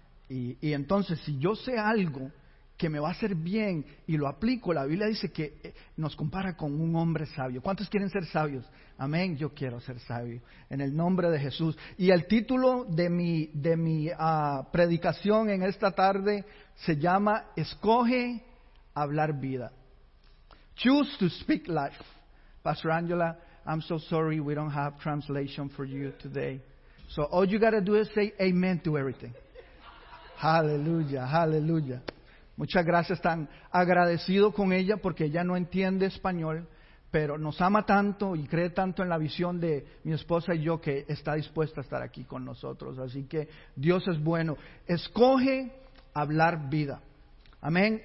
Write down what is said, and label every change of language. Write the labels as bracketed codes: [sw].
[es] Y entonces, si yo sé algo que me va a hacer bien y lo aplico, la Biblia dice que nos compara con un hombre sabio. ¿Cuántos quieren ser sabios? Amén, yo quiero ser sabio, en el nombre de Jesús. Y el título de mi predicación en esta tarde se llama Escoge Hablar Vida. [en] Choose to speak life. Pastor Angela, I'm so sorry we don't have translation for you today. So all you gotta do is say amen to everything. Hallelujah, hallelujah. [es] Muchas gracias, tan agradecido con ella porque ella no entiende español, pero nos ama tanto y cree tanto en la visión de mi esposa y yo que está dispuesta a estar aquí con nosotros. Así que Dios es bueno. Escoge hablar vida. Amén.